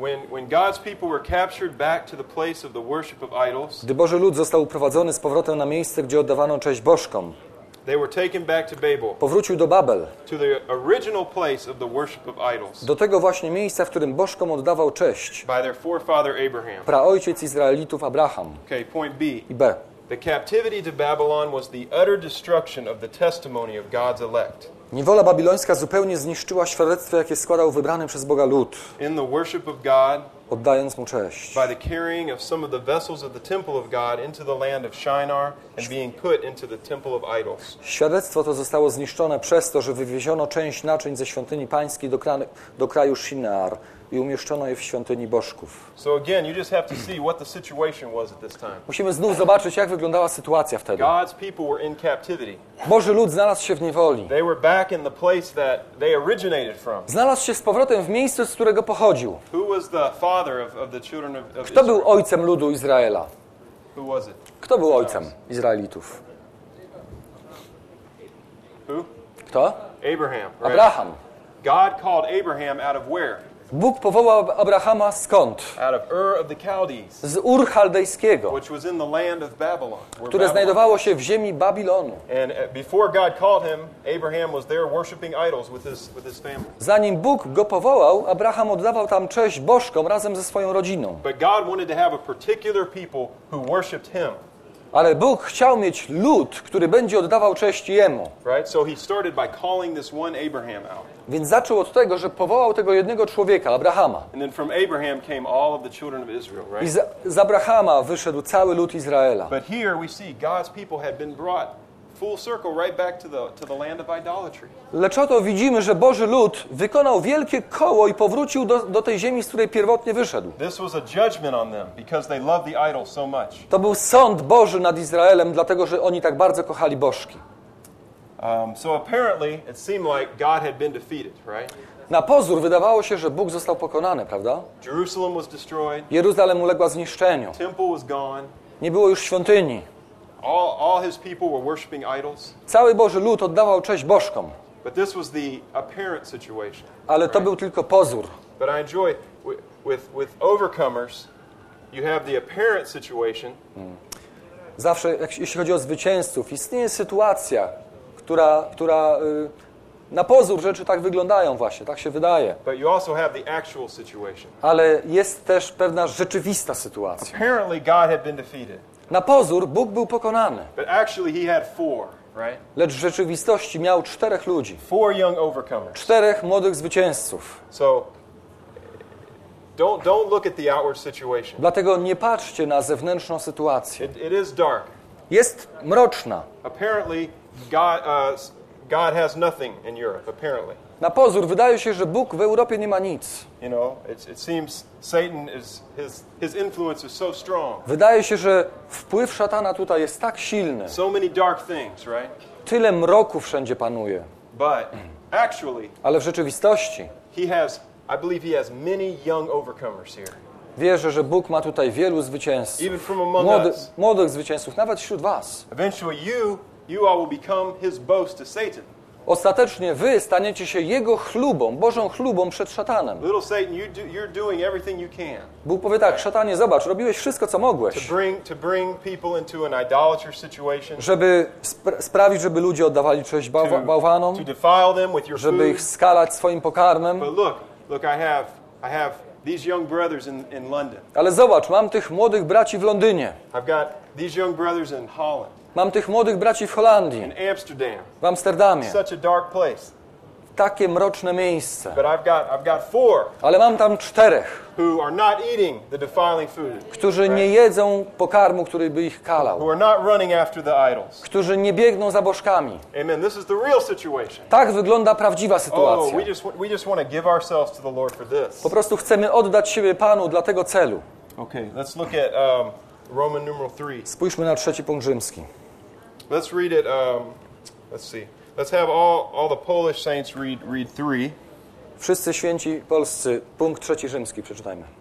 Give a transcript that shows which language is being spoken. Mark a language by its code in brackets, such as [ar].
[en] When God's people were captured back to the place of the worship of idols. [pl] Gdy Boży lud został uprowadzony z powrotem na miejsce, gdzie oddawano cześć bożkom. [en] They were taken back to Babel. [pl] Powrócił do Babel. [en] To the original place of the worship of idols. [pl] Do tego właśnie miejsca, w którym bożkom oddawał cześć. [en] By their forefather Abraham. [pl] Praojciec Izraelitów Abraham. [en] Okay, point B. [pl] I B. [en] The captivity to Babylon was the utter destruction of the testimony of God's elect. [pl] Niewola babilońska zupełnie zniszczyła świadectwo, jakie składał wybrany przez Boga lud, [en] in the worship of God, [pl] oddając mu cześć. [en] By the carrying of some of the vessels of the temple of God into the land of Shinar and being put into the temple of idols. [pl] Świadectwo to zostało zniszczone przez to, że wywieziono część naczyń ze świątyni pańskiej do kraju Shinar i umieszczono je w świątyni bożków. [en] So again, you just have to see what the situation was at this time. [pl] Musimy znów zobaczyć, jak wyglądała sytuacja wtedy. [en] God's people were in captivity. [pl] Boży lud znalazł się w niewoli. [en] They were back in the place that they originated from. [pl] Znalazł się z powrotem w miejscu, z którego pochodził. [en] Who was the father of the children of Israel? [pl] Kto był ojcem ludu Izraela? [en] Who was it? [pl] Kto był ojcem Izraelitów? [en] Who? [pl] Kto? [en] Abraham. Right? [pl] Abraham. [en] God called Abraham out of where? [pl] Bóg powołał Abrahama skąd? [en] Out of Ur of the Chaldees, [pl] z Ur Chaldejskiego, [en] which was in the land of Babylon, [pl] które Babylon znajdowało się w ziemi Babilonu. [en] And before God called him, Abraham was there worshiping idols with his family. [pl] Zanim Bóg go powołał, Abraham oddawał tam cześć bożkom razem ze swoją rodziną. [en] But God wanted to have a particular people who worshiped him. [pl] Ale Bóg chciał mieć lud, który będzie oddawał cześć Jemu. [en] Right? So he started by calling this one Abraham out. [pl] Więc zaczął od tego, że powołał tego jednego człowieka, Abrahama. [en] And then from Abraham came all of the children of Israel, right? [pl] I z Abrahama wyszedł cały lud Izraela. [en] But here we see God's people had been brought full circle right back to the land of idolatry. [pl] Lecz oto widzimy, że Boży lud wykonał wielkie koło i powrócił do tej ziemi, z której pierwotnie wyszedł. [en] This was a judgment on them because they loved the idol so much. [pl] To był sąd Boży nad Izraelem, dlatego że oni tak bardzo kochali bożki. [en] So apparently it seemed like God had been defeated, right? [pl] Na pozór wydawało się, że Bóg został pokonany, prawda? [en] Jerusalem was destroyed. [pl] Jeruzalem uległa zniszczeniu. [en] Temple was gone. [pl] Nie było już świątyni. [en] All his people were worshiping idols. [pl] Cały Boży lud oddawał cześć bożkom. [en] But this was the apparent situation. [pl] Ale to był tylko pozór. [en] But I enjoy with overcomers, you have the apparent situation. [pl] Zawsze, jeśli chodzi o zwycięzców, istnieje sytuacja, która na pozór rzeczy tak wyglądają właśnie, tak się wydaje. [en] But you also have the actual situation. [pl] Ale jest też pewna rzeczywista sytuacja. [en] Apparently God had been defeated. [pl] Na pozór Bóg był pokonany. [en] But actually he had four, right? [pl] Lecz w rzeczywistości miał czterech ludzi. [en] Four young overcomers. [pl] Czterech młodych zwycięzców. [en] So, don't look at the outward situation. [pl] Dlatego nie patrzcie na zewnętrzną sytuację. [en] It is dark. [pl] Jest mroczna. [en] Apparently God, God has nothing in Europe, apparently. [pl] Na pozór wydaje się, że Bóg w Europie nie ma nic. [en] You know, it seems Satan is his influence is so strong. [pl] Wydaje się, że wpływ szatana tutaj jest tak silny. [en] So many dark things, right? [pl] Tyle mroku wszędzie panuje. [en] But actually, [pl] ale w rzeczywistości, [en] I believe he has many young overcomers here. [pl] Wierzę, że Bóg ma tutaj wielu zwycięzców. [en] Even from among us. [pl] Młodych zwycięzców, nawet wśród was. [en] Eventually you all will become his boast to Satan. [pl] Ostatecznie wy staniecie się jego chlubą, Bożą chlubą przed szatanem. [en] Little Satan, you're doing everything you can. [pl] Bóg powie tak, szatanie, zobacz, robiłeś wszystko, co mogłeś, [en] to bring people into an idolatrous situation, [pl] żeby sprawić, żeby ludzie oddawali cześć bałwanom, [en] to defile them with your [pl] żeby [en] food. [pl] Ich skalać swoim pokarmem. [en] But look, I have these young brothers in London. [pl] Ale zobacz, mam tych młodych braci w Londynie. [en] I've got these young brothers in Holland. [pl] Mam tych młodych braci w Holandii. [en] In Amsterdam. [pl] W Amsterdamie. [en] Such a dark place. [pl] Takie mroczne miejsce. [en] But I've got four. [pl] Ale mam tam czterech. [en] Who are not eating the defiling food. [pl] Którzy right? Nie jedzą pokarmu, który by ich kalał. [en] Who are not running after the idols. [pl] Którzy nie biegną za bożkami. [en] Amen. This is the real situation. [pl] Tak wygląda prawdziwa sytuacja. [en] Oh, we just want to give ourselves to the Lord for this. [pl] Po prostu chcemy oddać siebie Panu dla tego celu. [en] Okay, let's look at Roman numeral 3. [pl] Spójrzmy na trzeci punkt rzymski. [en] Let's read it. Let's see. Let's have all the Polish saints read 3. [pl] Wszyscy święci polscy, punkt trzeci rzymski przeczytajmy.